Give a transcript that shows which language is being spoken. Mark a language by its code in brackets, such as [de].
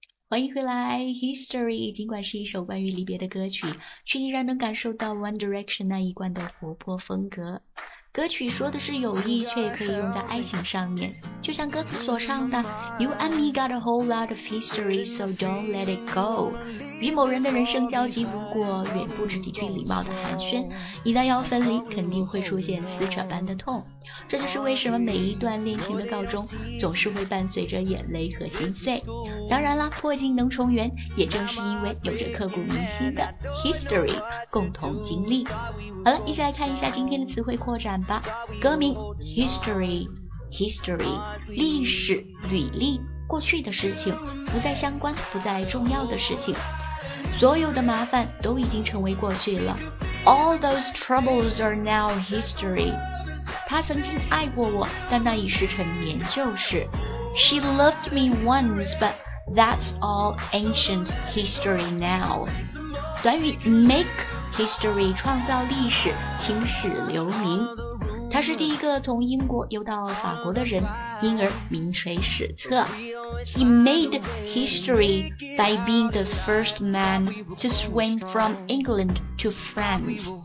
[zh] 欢迎回来 History。尽管是一首关于离别的歌曲，却依然能感受到 One Direction 那一贯的活泼风格。歌曲说的是友谊，却也可以用在爱情上面，就像歌词所唱的 [en] You and me got a whole lot of history, so don't let it go. [zh] 与某人的人生交集如果远不止几句礼貌的寒暄，一旦要分离肯定会出现撕扯般的痛。这就是为什么每一段恋情的告终总是会伴随着眼泪和心碎。当然了，破镜能重圆，也正是因为有着刻骨铭心的 history 共同经历。好了，一起来看一下今天的词汇扩展吧。歌名 History， history 历史履历过去的事情不再相关不再重要的事情所有的麻烦都已经成为过去了 [en] All those troubles are now history [zh] 他曾经爱过我但那已是陈年旧事 [en] She loved me once but that's all ancient history now [zh] 短语 make history 创造历史青史留名他是第一个从英国游到法国的人因而名垂史册 [en] He made history by being the first man to swim from England to France